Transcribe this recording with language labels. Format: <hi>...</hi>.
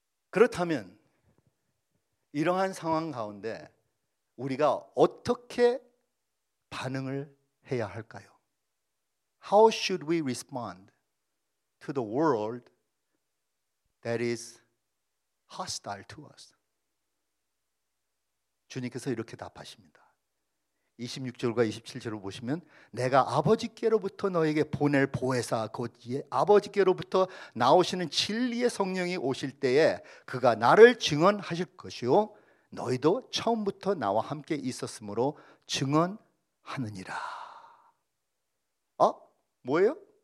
<ko>그렇다면 이러한 상황 가운데 우리가 어떻게 반응을 해야 할까요?</ko> <en>How should we respond to the world that is hostile to us?</en> <ko>주님께서 이렇게 답하십니다. 26절과 27절을 보시면 내가 아버지께로부터 너에게 보낼 보혜사 곧 아버지께로부터 나오시는 진리의 성령이 오실 때에 그가 나를 증언하실 것이요 너희도 처음부터 나와 함께 있었으므로 증언하느니라. 어? 뭐예요?</ko>